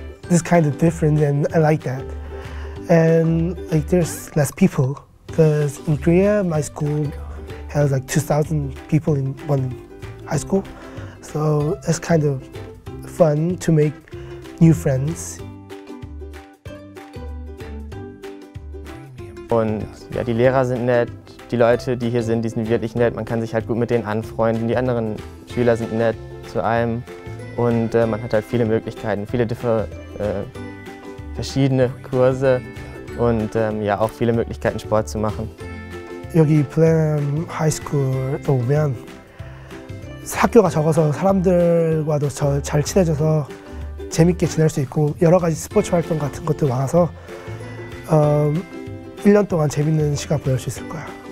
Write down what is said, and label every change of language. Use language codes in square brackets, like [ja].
[en] It's kind of different, and I like that. And like, there's less people. Because in Korea, my school has like 2,000 people in one high school. So it's kind of fun to make new friends. [de] Und ja, die Lehrer sind nett, die Leute, die hier sind, die sind wirklich nett. Man kann sich halt gut mit denen anfreunden. Die anderen Schüler sind nett zu einem. Und man hat halt viele Möglichkeiten, viele verschiedene Kurse. Und ja, auch viele Möglichkeiten, Sport zu machen. [en] Here in Blenheim High School, I come to school, the school is small, so I can get to know people well, and I can have fun and sports activities. So I can show you a fun time for a year.